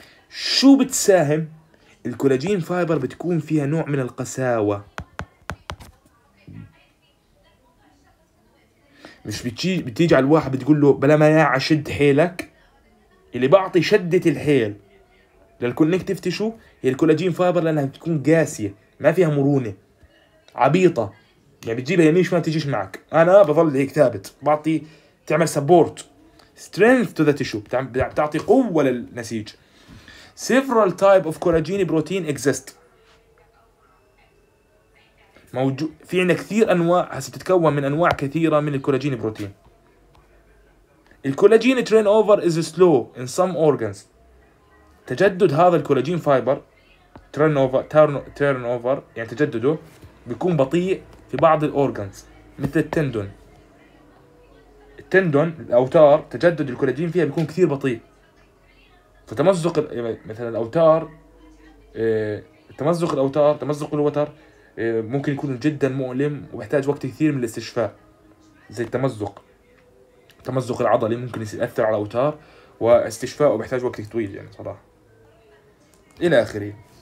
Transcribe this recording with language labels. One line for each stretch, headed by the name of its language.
Arabic: شو بتساهم الكولاجين فايبر؟ بتكون فيها نوع من القساوة، مش بتيجي على الواحد بتقول له بلا ما يا عشد حيلك، اللي بعطي شدة الحيل للكونكتيف تيشو هي الكولاجين فايبر، لانها بتكون قاسية ما فيها مرونة، عبيطة يعني بتجيبها يمين ما تجيش معك، انا بظل هيك ثابت بعطي تعمل سبورت سترينث تو ذا تيشو، بتعطي قوة للنسيج.
English: Several type of collagen protein exist.
Arabic: موجود في عنا كثير أنواع، هستتكون من أنواع كثيرة من الكولاجين بروتين. الكولاجين ترين أوفر
English: is slow in some organs.
Arabic: تجدد هذا الكولاجين فايبر ترن أوفر يعني تجدده بيكون بطيء في بعض الأورغانز مثل التندون. التندون الأوتار تجدد الكولاجين فيها بيكون كثير بطيء. فتمزق مثلا الأوتار، تمزق الأوتار، تمزق الوتر ممكن يكون جدا مؤلم ويحتاج وقت كثير من الاستشفاء، زي التمزق، تمزق العضلي ممكن يأثر على الأوتار واستشفاء ويحتاج وقت طويل يعني صراحة إلى آخره.